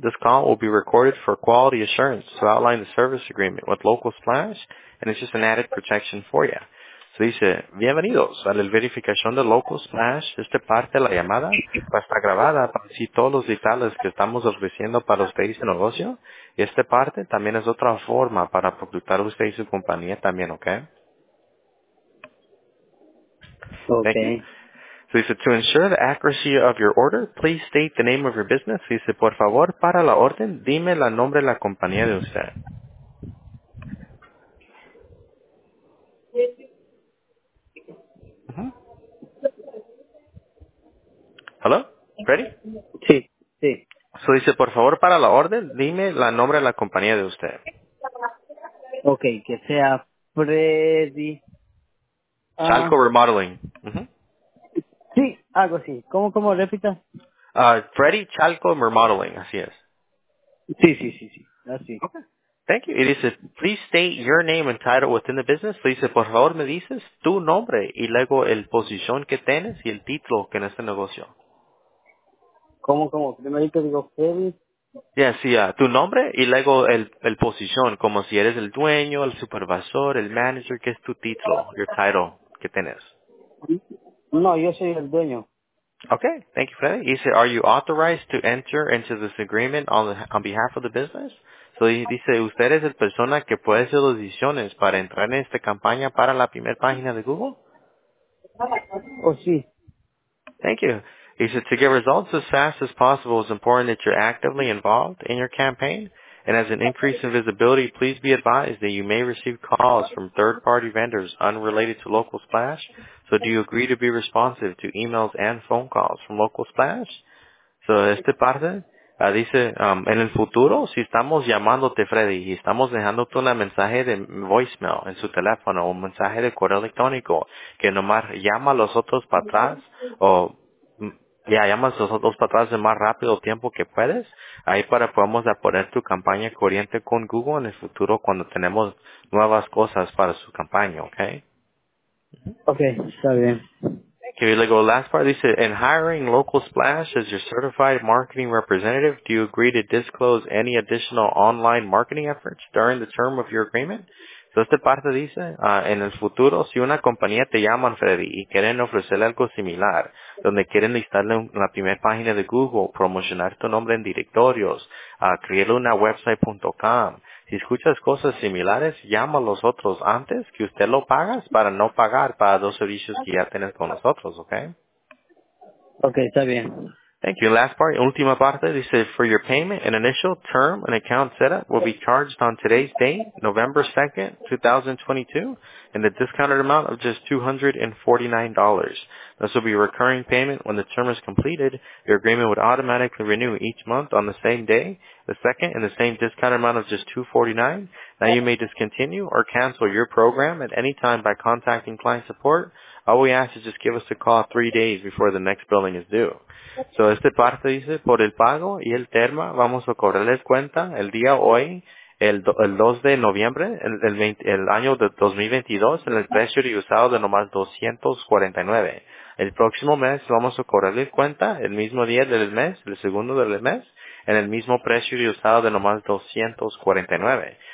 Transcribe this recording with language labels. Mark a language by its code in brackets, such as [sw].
[en] This call will be recorded for quality assurance to outline the service agreement with Local Splash, and it's just an added protection for you. [es] Se dice, bienvenidos a la verificación de Local Splash. Esta parte de la llamada va a estar grabada para decir todos los detalles que estamos ofreciendo para usted y su negocio. Y esta parte también es otra forma para proyectar usted y su compañía también, ¿ok? Ok. [en] So he said, to ensure the accuracy of your order, please state the name of your business. He said, [es] por favor, para la orden, dime el nombre de la compañía de usted. [en] Hello? Ready? [es] Sí, sí. So dice, por favor, para la orden, dime el nombre de la compañía de usted. Okay, que sea Freddy. Chalco Remodeling. Sí, algo así. ¿Cómo repita? Freddy Chalco Remodeling, así es. Sí. Así. Okay. [en] Thank you. [es] Y dice, [en] please state your name and title within the business. [es] Dice, por favor, me dices tu nombre y luego el posición que tienes y el título que en este negocio. ¿Cómo? Primero te digo Freddy. Sí, tu nombre y luego el posición, como si eres el dueño, el supervisor, el manager, ¿qué es tu título, [en] your title [es] que tienes? No, yo soy el dueño. [en] Okay, thank you, Freddy. He said, are you authorized to enter into this agreement on behalf of the business? [es] So he dice, ¿usted es el persona que puede hacer las decisiones para entrar en esta campaña para la primera página de Google? Oh, sí. [en] Thank you. He said, to get results as fast as possible, it's important that you're actively involved in your campaign. And as an increase in visibility, please be advised that you may receive calls from third-party vendors unrelated to Local Splash. So do you agree to be responsive to emails and phone calls from Local Splash? [es] So esta parte dice, en el futuro, si estamos llamándote, Freddy, y estamos dejándote un mensaje de voicemail en su teléfono, un mensaje de correo electrónico, que nomás llama a los otros para atrás, o... Ya, llamas a los dos para atrás de más rápido tiempo que puedes. Ahí para podemos poner tu campaña corriente con Google en el futuro cuando tenemos nuevas cosas para su campaña, ¿ok? Ok, está bien. [en] Okay, we go last part. Dice, in hiring Local Splash as your certified marketing representative, do you agree to disclose any additional online marketing efforts during the term of your agreement? [es] So esta parte dice, en el futuro, si una compañía te llama, Freddy, y quieren ofrecerle algo similar, donde quieren listarle en la primera página de Google, promocionar tu nombre en directorios, crearle una website.com, si escuchas cosas similares, llama a los otros antes que usted lo pagas para no pagar para dos servicios que ya tienes con nosotros, ¿ok? Ok, está bien. [en] Thank you. Last part, [es] última parte, dice, [en] for your payment, an initial term and account setup will be charged on today's date, November 2nd, 2022, in the discounted amount of just $249. This will be a recurring payment. When the term is completed, your agreement would automatically renew each month on the same day, the second, in the same discounted amount of just $249. Now you may discontinue or cancel your program at any time by contacting client support. All we ask is just give us a call 3 days before the next billing is due. [es] So, esta parte dice, por el pago y el termo, vamos a cobrarles cuenta el día hoy, el 2 de noviembre, el año de 2022, en el precio reusado de nomás $249. El próximo mes vamos a cobrarles cuenta el mismo día del mes, el segundo del mes, en el mismo precio reusado de nomás $249.